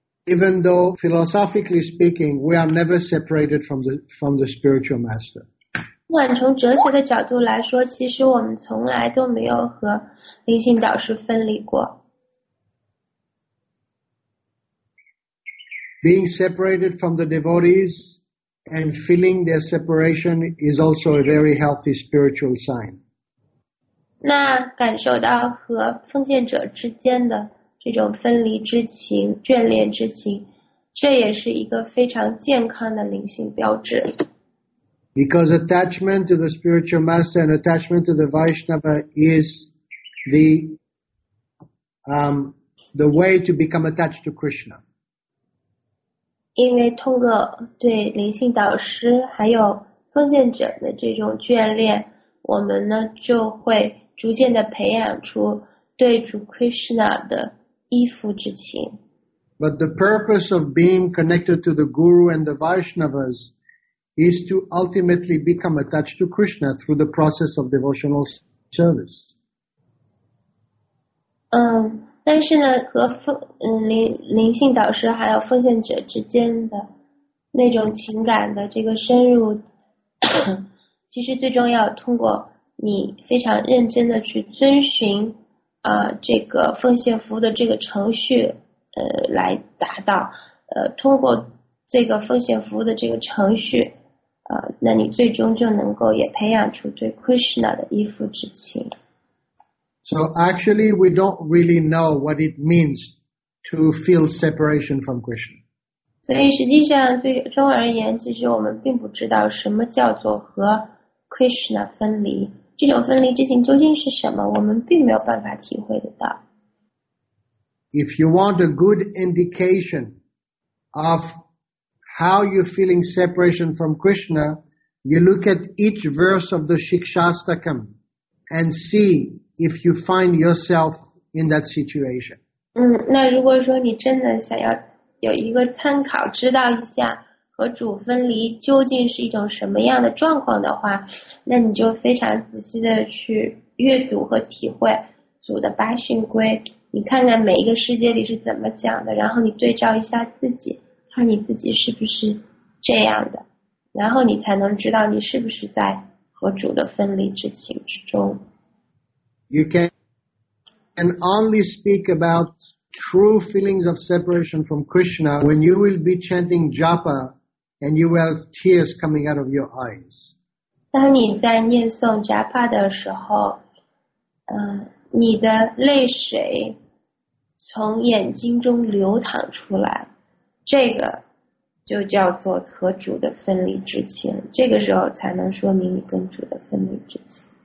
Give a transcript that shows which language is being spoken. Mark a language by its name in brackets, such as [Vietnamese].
[English] Even though philosophically speaking, we are never separated from the spiritual master. [Chinese] 不管从哲学的角度来说，其实我们从来都没有和灵性导师分离过。 [English] being separated from the devotees and feeling their separation is also a very healthy spiritual sign. [Chinese] 那感受到和奉献者之间的这种分离之情、眷恋之情，这也是一个非常健康的灵性标志。 [English] Because attachment to the spiritual master and attachment to the Vaishnava is the way to become attached to Krishna. [Chinese] 因为透过对灵性导师还有奉献者的这种眷恋，我们呢就会逐渐地培养出对主 Krishna 的依附之情。 [English] But the purpose of being connected to the Guru and the Vaishnavas is to ultimately become attached to Krishna through the process of devotional service. [Chinese] 但是呢，和灵性导师还有奉献者之间的那种情感的这个深入，其实最重要通过你非常认真的去遵循这个奉献服务的这个程序来达到通过这个奉献服务的这个程序那你最终就能够也培养出对 Krishna 的依附之情。 [English] So actually, we don't really know what it means to feel separation from Krishna. [Chinese] 所以实际上最终而言，其实我们并不知道什么叫做和 Krishna 分离。这种分离之情究竟是什么，我们并没有办法体会得到。 [English] If you want a good indication of how you're feeling separation from Krishna, you look at each verse of the Shikshastakam and see if you find yourself in that situation. [Chinese] 那如果说你真的想要有一个参考，知道一下和主分离究竟是一种什么样的状况的话，那你就非常仔细的去阅读和体会主的八训规，你看看每一个世界里是怎么讲的，然后你对照一下自己，看你自己是不是这样的，然后你才能知道你是不是在和主的分离之情之中。 [English] You can only speak about true feelings of separation from Krishna when you will be chanting japa and you will have tears coming out of your eyes. [Chinese] 当你在念诵 japa 的时候，你的泪水从眼睛中流淌出来，这个就叫做和主的分离之情，这个时候才能说明你跟主的分离之情。